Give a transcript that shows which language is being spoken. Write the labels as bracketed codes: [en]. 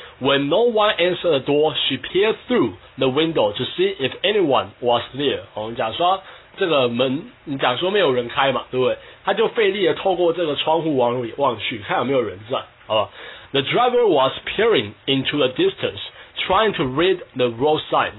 [en] When no one answered the door, she peered through the window to see if anyone was there。 [zh] 哦，你讲说这个门，你讲说没有人开嘛，对不对？他就费力的透过这个窗户往里望去，看有没有人在，好吧 [en] The driver was peering into the distance, trying to read the road sign.